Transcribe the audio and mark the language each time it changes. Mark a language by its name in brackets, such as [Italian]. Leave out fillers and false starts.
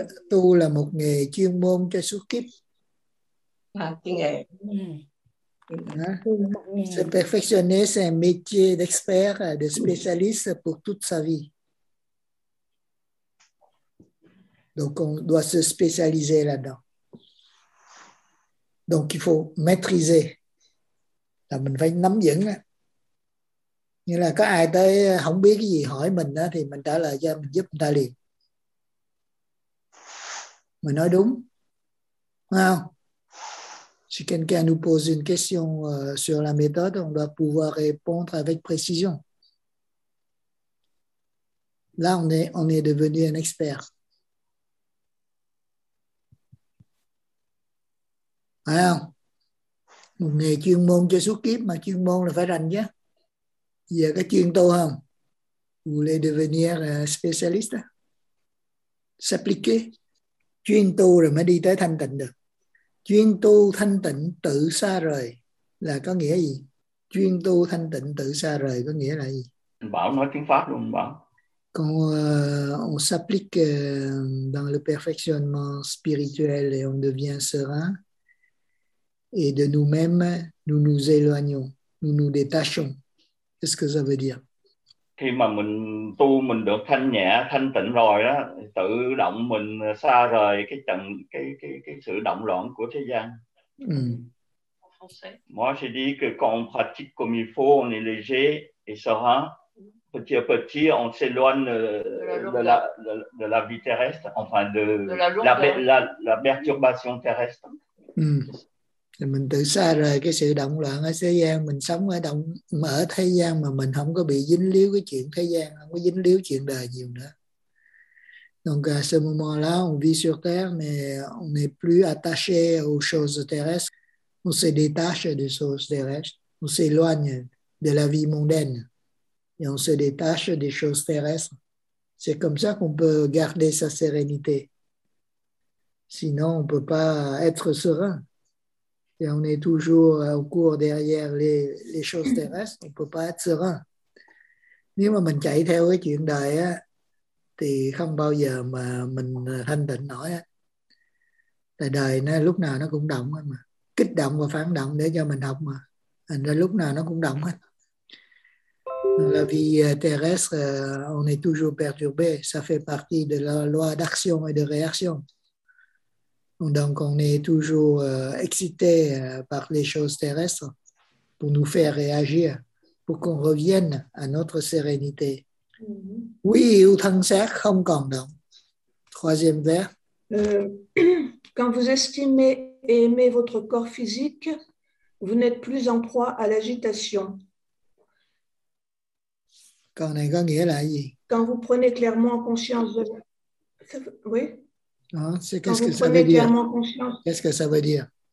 [Vietnamese] Tu là một nghề chuyên môn cho suốt kiếp. À, cái nghề. Hein? [French] Se perfectionner, c'est un métier d'expert, de spécialiste pour toute sa vie. Donc, on doit se spécialiser là-dedans. Donc, il faut maîtriser. [Vietnamese] Là, mình phải nắm vững. Như là có ai tới không biết cái gì hỏi mình đó, thì mình trả lời cho mình giúp người ta liền. Mình nói đúng. Đúng không? [French] Si quelqu'un nous pose une question sur la méthode, on doit pouvoir répondre avec précision. Là, on est devenu un expert. [Vietnamese] Phải không? Một nghề chuyên môn cho suốt kiếp, mà chuyên môn là phải rành chứ. Giờ có chuyên tu không? [French] Vous voulez devenir spécialiste? S'appliquer. [Vietnamese] Chuyên tu rồi mới đi tới thanh tịnh được. Chuyên tu thanh tịnh tự xa rời là có nghĩa gì? Chuyên tu thanh tịnh tự xa rời có nghĩa là gì? Bảo nói tiếng Pháp luôn, Bảo. [French] Quand on s'applique dans le perfectionnement spirituel et on devient serein, et de nous-mêmes, nous nous éloignons, nous nous détachons. Qu'est-ce que ça veut dire? [Vietnamese] Khi mà mình tu, mình được thanh nhẹ, thanh tịnh rồi đó, tự động mình xa rời cái trần, cái sự động loạn của thế gian. [French] Moi, je dis que quand on pratique comme il faut, on est léger et serein. Petit à petit, on s'éloigne de la vie terrestre, enfin de la perturbation terrestre. [Vietnamese] Mình tự xa rời cái sự động loạn ở thế gian, mình sống ở thế gian mà mình không có bị dính líu cái chuyện thế gian, không có dính líu chuyện đời nhiều nữa. [French] Donc à ce moment-là, on vit sur terre, mais on n'est plus attaché aux choses terrestres. On se détache des choses terrestres. On s'éloigne de la vie mondaine. Et on se détache des choses terrestres. C'est comme ça qu'on peut garder sa sérénité. Sinon, on ne peut pas être serein. Et on est toujours au cours derrière les choses terrestres, on ne peut pas être serein. [Vietnamese] Nếu mà mình chạy theo cái chuyện đời á, thì không bao giờ mà mình thanh tịnh nổi á. Tại đời nó lúc nào nó cũng động mà, kích động và phản động để cho mình học mà. Thành ra lúc nào nó cũng động hết. [French] La vie terrestre, on est toujours perturbé. Ça fait partie de la loi d'action et de réaction. Donc, on est toujours excité par les choses terrestres pour nous faire réagir, pour qu'on revienne à notre sérénité. [Vietnamese] Oui, ou thăng xác không còn động. [French] Troisième vers. Quand vous estimez et aimez votre corps physique, vous n'êtes plus en proie à l'agitation. [Vietnamese] Quand này có nghĩa là gì? [French] Quand vous prenez clairement conscience de... Oui. Hein, c'est qu'est-ce que ça veut dire? Qu'est-ce que ça veut dire?